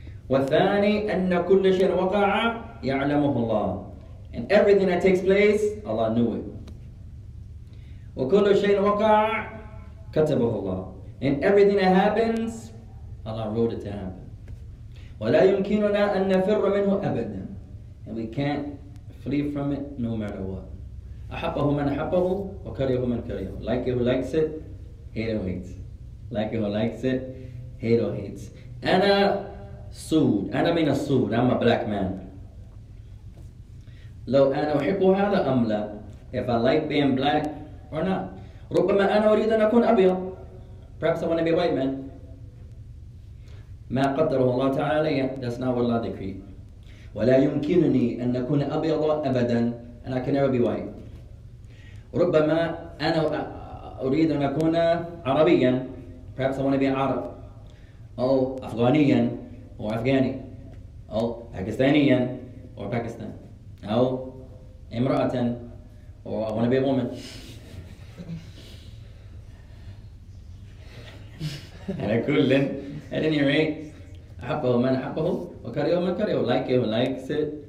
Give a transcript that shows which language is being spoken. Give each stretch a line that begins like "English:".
Arabic: وَثَانِي أَنَّ كُلَّ شَيْءٍ وَقَعَ يَعْلَمُهُ اللَّهُ
English: And everything that takes place, Allah knew it.
Arabic: وَكُلُّ شَيْءٍ وَقَعَ كَتَبُهُ اللَّهُ
English: And everything that happens, Allah wrote it to happen.
Arabic: وَلَا يُمْكِنُنَا أَن نَفِرَّ مِنْهُ أَبَدًا
English: And we can't flee from it no matter what.
Arabic: أحبه من أحبه وكرهه من كرهه.
English: Like who likes it, hate who hates. Like who likes it, hate who hates.
Arabic: أنا سود. أنا من السود.
English: I'm a black man.
Arabic: لو أنا أحب هذا أم لا.
English: If I like being black or not.
Arabic: ربما أنا أريد أن أكون أبيض.
English: Perhaps I want to be a white man.
Arabic: ما قدره الله تعالى.
English: That's not what Allah decreed.
Arabic: ولا يمكنني أن أكون أبيض أبدا.
English: And I can never be white.
Arabic: ربما أنا أريد أن أكون عربيا
English: perhaps I want to be Arab
Arabic: أو أفغانيا or أفغاني أو باكستانيا
English: or Pakistan
Arabic: أو امرأة
English: or I want to be a woman
Arabic: على كل
English: at any rate
Arabic: أحبه من أحبه وكرهه من كرهه
English: like him likes it